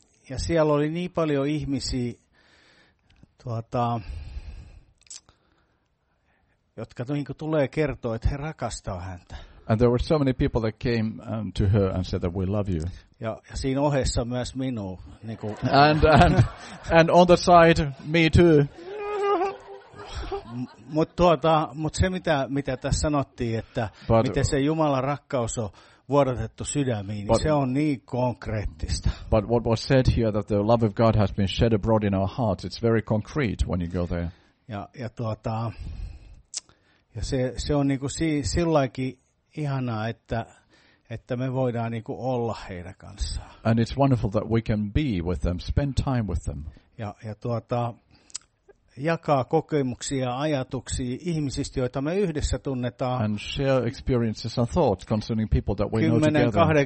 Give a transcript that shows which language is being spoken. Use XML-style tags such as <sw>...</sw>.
<fi>ja siellä oli niin paljon ihmisiä, jotka niinku tulee kertoa, että he rakastaa häntä.</fi> <en>And there were so many people that came to her and said that we love you.</en> <fi>Ja siinä ohessa myös minua. Niin kuin</fi> <en>and on the side, me too.</en> <fi>Mut se mitä tässä sanottiin, että but, miten se Jumalan rakkaus on vuodatettu sydämiin, but, se on niin konkreettista.</fi> <en>But what was said here that the love of God has been shed abroad in our hearts, it's very concrete when you go there.</en> <fi>Ja se on niinku sillainkin ihanaa, että me voidaan niinku olla heidän kanssaan.</fi> <en>And it's wonderful that we can be with them, spend time with them.</en> <fi>Ja jakaa kokemuksia ja ajatuksia ihmisistä, joita me yhdessä tunnetaan.</fi> <en>And share experiences and thoughts concerning people that we know together.</en>